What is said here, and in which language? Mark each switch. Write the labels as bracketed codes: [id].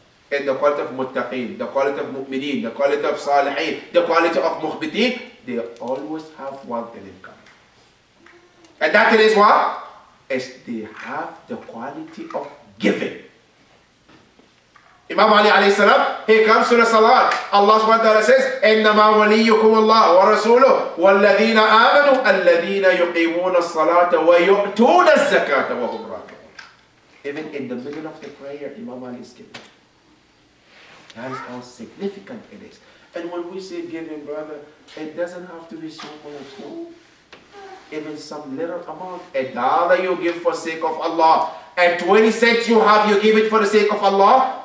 [en] in the quality of muttaqeen, the quality of mu'mineen, the quality of salihin, the quality of mukhbiteen, they always have one thing in common. And that thing is what? Is they have the quality of giving. Imam Ali alayhi salam, he comes to the salat. [ar] Allah subhanahu wa ta'ala says, إِنَّمَا وَلِيُّكُمُ اللَّهُ وَرَسُولُهُ وَالَّذِينَ آمَنُوا الَّذِينَ يُقِيمُونَ الصَّلَاةَ وَيُؤْتُونَ الزَّكَاةَ وَهُمْ رَاكِعُونَ. [en] Even in the middle of the prayer, Imam Ali is giving. That is how significant it is. And when we say giving, brother, it doesn't have to be so much. Even some little amount, a dollar you give for sake of Allah, and 20 cents you have, you give it for the sake of Allah,